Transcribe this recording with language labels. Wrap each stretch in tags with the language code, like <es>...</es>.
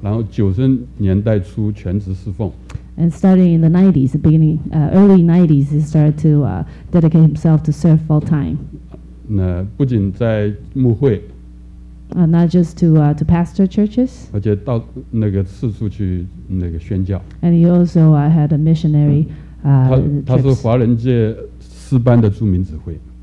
<zh>然后九十年代初全职侍奉。</zh> <en>And starting in the 90s, the beginning, early 90s, he started to dedicate himself to serve full time.</en> <zh>那不仅在牧会。</zh> <en>Not just to pastor churches,</en> <zh>而且到那个四处去那个宣教。</zh> <en>And he also had a missionary.</en> <zh>他是华人界四班的著名指挥。</zh>